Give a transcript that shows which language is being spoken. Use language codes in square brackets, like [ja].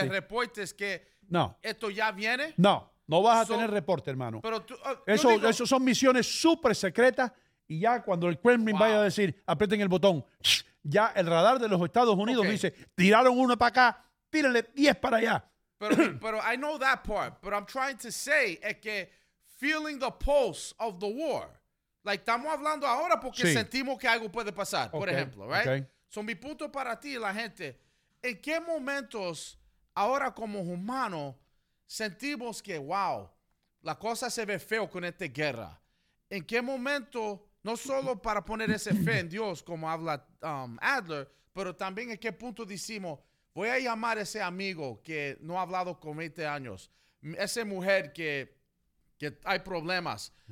[es] tener reportes que no. Esto ya viene. No, no vas a tener reporte, hermano. Pero tú, eso son misiones súper secretas y ya cuando el Kremlin vaya a decir, aprieten el botón, ya el radar de los Estados Unidos dice, tiraron uno para acá, tírenle 10 para allá. [en] Pero I know that part, but I'm trying to say [es] es que [en] feeling the pulse of the war. [es] Like, estamos hablando ahora porque sentimos que algo puede pasar, por ejemplo, right? [en] Okay. [es] So, mi punto para ti, la gente, ¿en qué momentos ahora como humanos sentimos que, wow, la cosa se ve feo con esta guerra? ¿En qué momento, no solo para poner ese fe en Dios, como habla Adler, pero también en qué punto decimos, voy a llamar a ese amigo que no ha hablado con 20 años, esa mujer que hay problemas?